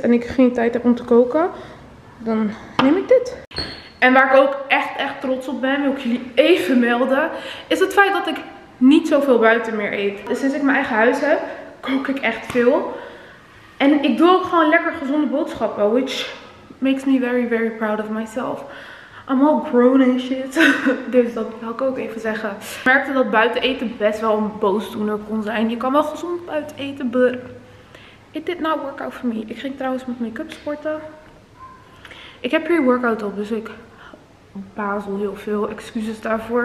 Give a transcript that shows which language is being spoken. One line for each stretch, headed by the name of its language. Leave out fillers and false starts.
Dutch: En ik geen tijd heb om te koken. Dan neem ik dit. En waar ik ook echt, echt trots op ben, wil ik jullie even melden. Is het feit dat ik niet zoveel buiten meer eet. Sinds ik mijn eigen huis heb, kook ik echt veel. En ik doe ook gewoon lekker gezonde boodschappen.
English: Which makes me very, very proud of myself. I'm all grown and shit.
Dutch: Dus dat wil ik ook even zeggen. Ik merkte dat buiten eten best wel een boosdoener kon zijn. Je kan wel gezond buiten eten,
English: but it did not work out for me.
Dutch: Ik ging trouwens met make-up sporten. Ik heb hier workout op, dus ik bazel heel veel. Excuses daarvoor.